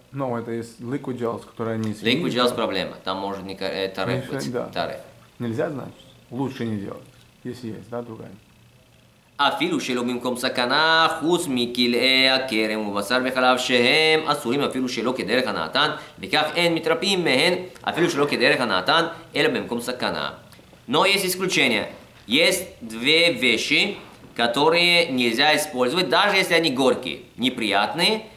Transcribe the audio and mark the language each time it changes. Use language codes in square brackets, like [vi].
[ru] Ну, это есть liquid gels, которые они съели. Liquid gels проблема. Там может не таре быть. Да. Таре. Нельзя, значит, лучше не делать. Если есть, да, другая. [he] אפילו שלא במקום סכנה, חוץ מכלאי הכרם ובשר וחלב שהם אסורים אפילו שלא כדרך הנעתן, וכך אין מתרפים מהן אפילו שלא כדרך הנעתן, אלא במקום סכנה. [ru] Но есть исключение. Есть две вещи, которые нельзя использовать, даже если они горькие, неприятные.